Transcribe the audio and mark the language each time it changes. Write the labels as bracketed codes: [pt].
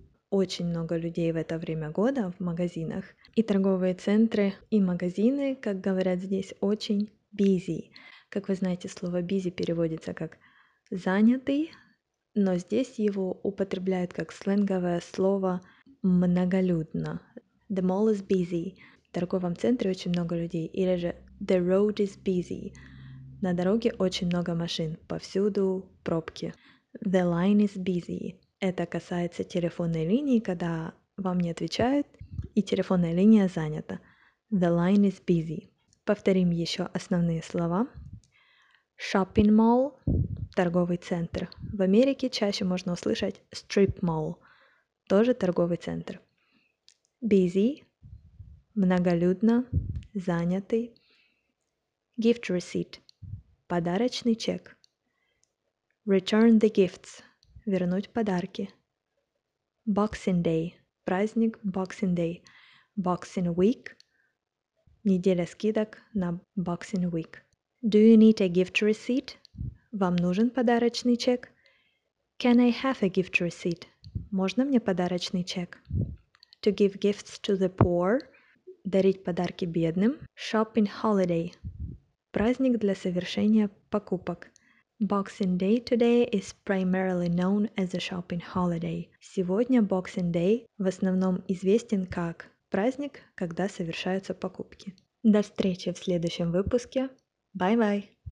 [ru] Очень много людей в это время года в магазинах. И торговые центры, и магазины, как говорят здесь, очень busy. Как вы знаете, слово busy переводится как занятый, но здесь его употребляют как сленговое слово многолюдно. [en] The mall is busy. [ru] В торговом центре очень много людей. Или же [en] the road is busy. [ru] На дороге очень много машин, повсюду пробки. [en] The line is busy. [ru] Это касается телефонной линии, когда вам не отвечают, и телефонная линия занята. [en] The line is busy. [ru] Повторим еще основные слова. Shopping mall – торговый центр. В Америке чаще можно услышать strip mall – тоже торговый центр. Busy – многолюдно, занятый. Gift receipt – подарочный чек. [en] Return the gifts – [ru] вернуть подарки. [en] Boxing Day. [ru] Праздник Boxing Day. [en] Boxing Week. [ru] Неделя скидок на Boxing Week. [en] Do you need a gift receipt? [ru] Вам нужен подарочный чек? [en] Can I have a gift receipt? [ru] Можно мне подарочный чек? [en] To give gifts to the poor. [ru] Дарить подарки бедным. Shopping Holiday. Праздник для совершения покупок. [en] Boxing Day today is primarily known as a shopping holiday. [ru] Сегодня Boxing Day в основном известен как праздник, когда совершаются покупки. До встречи в следующем выпуске. Bye-bye!